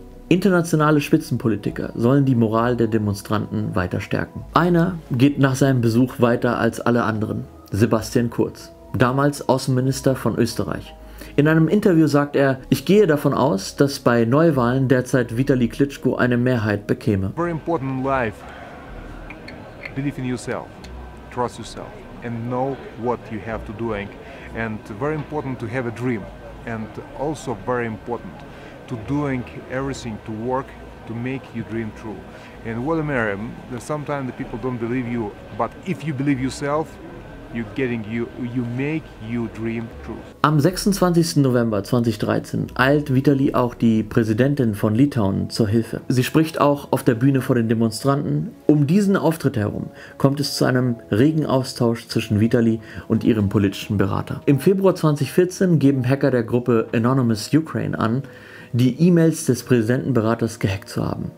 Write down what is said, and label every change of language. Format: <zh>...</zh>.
<de>Internationale Spitzenpolitiker sollen die Moral der Demonstranten weiter stärken. Einer geht nach seinem Besuch weiter als alle anderen, Sebastian Kurz, damals Außenminister von Österreich. In einem Interview sagt er: Ich gehe davon aus, dass bei Neuwahlen derzeit Vitali Klitschko eine Mehrheit bekäme.</de> <en>Very important life. Believe in yourself, trust yourself and know what you have to doing. And very important to have a dream and also very important to doing everything to work to make your dream true. And what a matter, sometimes the people don't believe you, but if you believe yourself, you make your dream true.</en> <de>Am 26. November 2013 eilt Vitali auch die Präsidentin von Litauen zur Hilfe. Sie spricht auch auf der Bühne vor den Demonstranten. Um diesen Auftritt herum kommt es zu einem regen Austausch zwischen Vitali und ihrem politischen Berater. Im Februar 2014 geben Hacker der Gruppe Anonymous Ukraine an, die E-Mails des Präsidentenberaters gehackt zu haben.</de>